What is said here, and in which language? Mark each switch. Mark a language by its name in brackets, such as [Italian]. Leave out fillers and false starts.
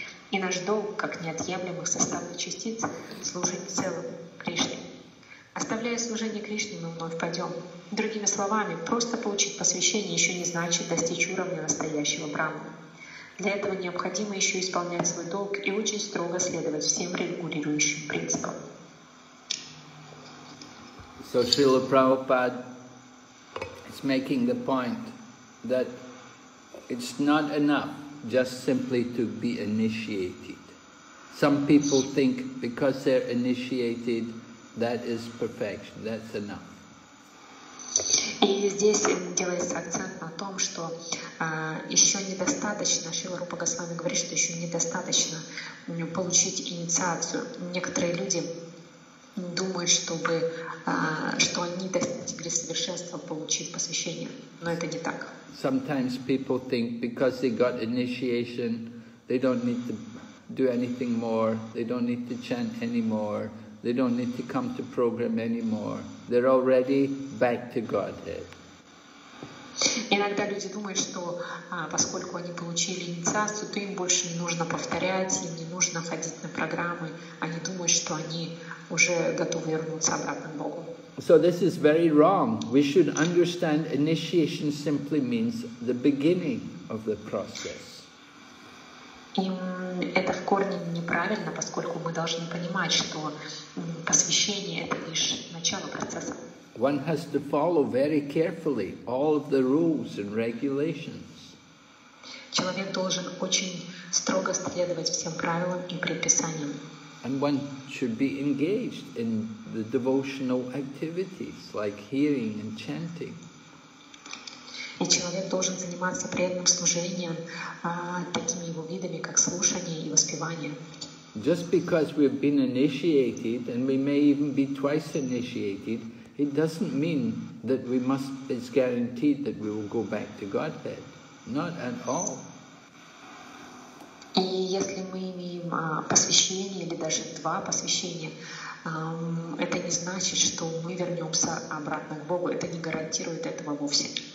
[Russian] И наш долг, как неотъемлемых составных частиц, служить целому Кришне. Оставляя служение Кришне, мы вновь пойдем. Другими словами, просто получить посвящение еще не значит достичь уровня настоящего брахмана. Для этого необходимо еще исполнять свой долг и очень строго следовать всем регулирующим принципам. [English] So Srila Prabhupada is making the point that it's not enough just simply to be initiated. Some people think because they're initiated, that is perfection, that's enough. [Russian] И здесь делается акцент на том, что еще недостаточно, Шрила Рупа Госвами говорит, что еще недостаточно получить инициацию. Некоторые люди думают, что они достигли совершенства, получив посвящение, но это не так. [English] Sometimes people think because they got initiation, they don't need to do anything more, they don't need to chant anymore. They don't need to come to program anymore. They're already back to Godhead. [Russian] Иногда люди думают, что поскольку они получили инициацию, то им больше не нужно повторять, им не нужно ходить на программы. Они думают, что они уже готовы вернуться обратно к Богу. [English] So this is very wrong. We should understand initiation simply means the beginning of the process. [Russian] И это в корне неправильно, поскольку мы должны понимать, что посвящение — это лишь начало процесса. [English] One has to follow very carefully all of the rules and regulations. [Russian] Человек должен очень строго следовать всем правилам и предписаниям. [English] And one should be engaged in the devotional activities like hearing and chanting. [Russian] И человек должен заниматься преданным служением такими его видами, как слушание и воспевание. [English] Just because we've been initiated, and we may even be twice initiated, it doesn't mean that we must, it's guaranteed that we will go back to Godhead. Not at all. [Russian] И если мы имеем посвящение, или даже два посвящения, это не значит, что мы вернемся обратно к Богу. Это не гарантирует этого вовсе.